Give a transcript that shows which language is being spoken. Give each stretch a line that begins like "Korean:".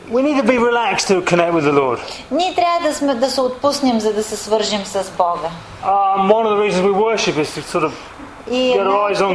English: We need to be relaxed to connect with the Lord.
Bulgarian: Ние трябва да се отпуснем, за да се свържим с Бога.
English: One of the reasons we worship is to sort of get our eyes on God.